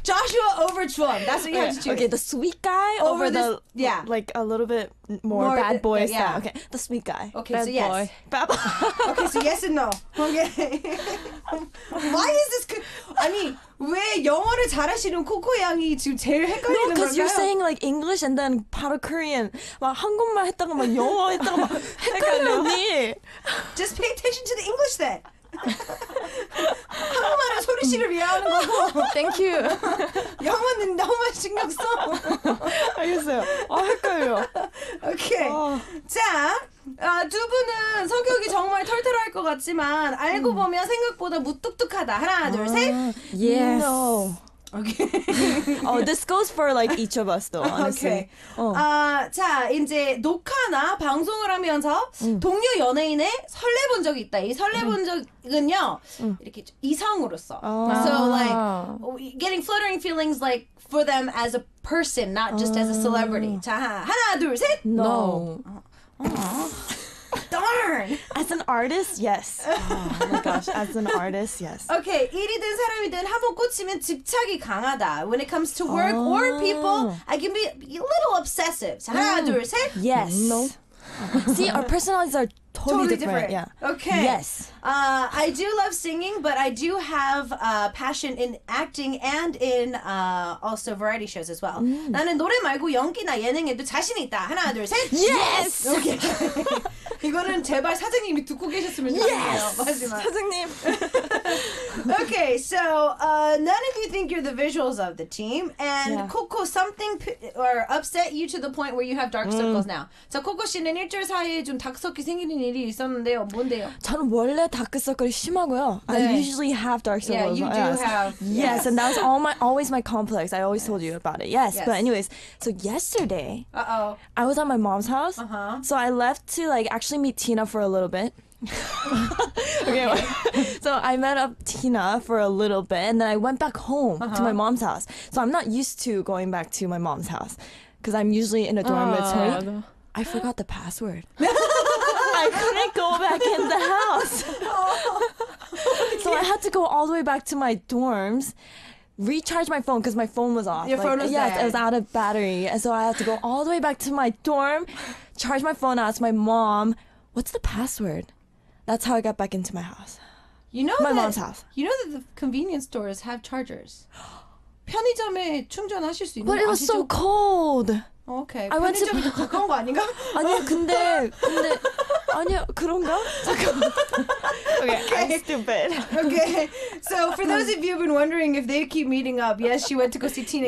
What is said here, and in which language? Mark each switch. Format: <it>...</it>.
<en>Joshua over Chuan. That's what you have to choose. Okay, the sweet guy over the yeah, like a little bit more bad boy style. Yeah. Okay, the sweet guy. Okay, bad so yes. Boy. Bad boy. Okay, so yes and no. Okay. Why is this? I mean,</en> <ko>왜 영어를 잘하시는 코코 양이 지금 제일 헷갈리는 걸까요?</ko> <en>No, because you're saying like English and then</en> <ko>바로</ko> <en>Korean.</en> <ko>막 한국말 했다가 막 영어 했다가 막 헷갈리니?</ko> <en>Just pay attention to the English then.</en> <ko>한국말은 소리 씨를 위해 하는 거고.</ko> <en>Thank you.</en> <ko>영어는 너무 신경 써. 알겠어요. 아, 헷갈려.</ko> <en>오케이. Okay.</en> <ko>자, 두 분은 성격이 정말 털털할 것 같지만 알고 보면 생각보다 무뚝뚝하다. 하나, 둘, 셋.</ko> <en>Yes. No. Okay. Oh, this goes for like each of us, though. Honestly. Okay.</en> <ko>자 이제 녹화나 방송을 하면서 동료 연예인의 설레본 적이 있다. 이 설레본 적은요 이렇게 이성으로서.</ko> <en>Oh. So like getting fluttering feelings like for them as a person, not just as a celebrity.</en> <ko>자 하나 둘 셋.</ko> <en>No. Darn! As an artist, yes. Oh my gosh, as an artist, yes. Okay,</en> <ko>일이든 사람이든 한번 꽂히면 집착이 강하다.</ko> <en>When it comes to work or people, I can be a little obsessive.</en> <ko>자, 하나, 둘, 셋.</ko> <en>Yes. No. See, our personalities are totally different. Yeah. Okay. Yes. I do love singing, but I do have a passion in acting and in also variety shows as well. Mm.</en> <ko>나는 노래 말고 연기나 예능에도 자신 있다. 하나, 둘, 셋.</ko> <en>Yes. Okay.</en> <ko>이거는 제발 사장님이 듣고 계셨으면 좋겠어요.</ko> <en>Yes!</en> <ko>마지막. 사장님.</ko> <en>Okay, so none of you think you're the visuals of the team. And yeah. Coco, something or upset you to the point where you have dark circles now.</en> <ko>자, 코코 씨는 일주일 사이에 좀 다크서클 생기는 일이 있었는데요. 뭔데요? 저는 원래 다크서클이 심하고요. 네.</ko> <en>I usually have dark circles. Yeah, you do have. Yes, and that was always my complex. I always told you about it. Yes, but anyways, so yesterday, I was at my mom's house. Uh-huh. So I left to like actually meet Tina for a little bit. Okay, okay. So I met up Tina for a little bit and then I went back home to my mom's house. So I'm not used to going back to my mom's house because I'm usually in a dormitory. I forgot the password. I couldn't go back in the house. So I had to go all the way back to my dorms, recharge my phone because my phone was off. Your phone was dead. Yes, it was out of battery. And so I had to go all the way back to my dorm, charge my phone, ask my mom, what's the password? That's how I got back into my house. You know my that, mom's house. You know that the convenience stores have chargers.</en> <ko>편의점에 충전하실 수 있는</ko> <en>But it was</en> <ko>아시죠?</ko> <en>So cold. Okay. I</en> <ko>편의점이</ko> <en>went to...</en> <ko>가까운 거 아닌가? 아니야, 근데 아니야, 그런가? 잠깐만.</ko> <en>Okay, okay. I'm stupid. Okay. So for those of you who've been wondering if they keep meeting up, yes, she went to go see Tina</en>